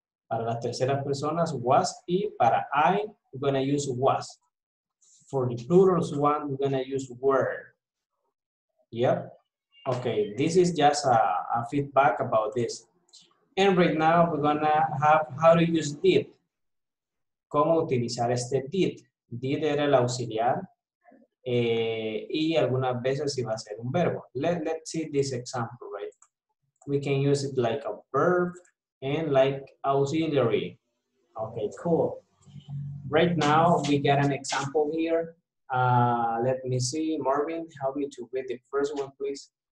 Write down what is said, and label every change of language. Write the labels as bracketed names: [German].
[Spanish] Para las terceras personas was y para I, [English] we're gonna use was. For the plural one, we're gonna use were. Yep. Okay, this is just a feedback about this. And right now we're gonna have how to use did. [Spanish] Cómo utilizar este did. Did era el auxiliar y algunas veces iba a ser un verbo. [English] Let's see this example, right? We can use it like a verb and like auxiliary. Okay, cool. Right now, we get an example here. Let me see, Marvin, help me to read the first one, please.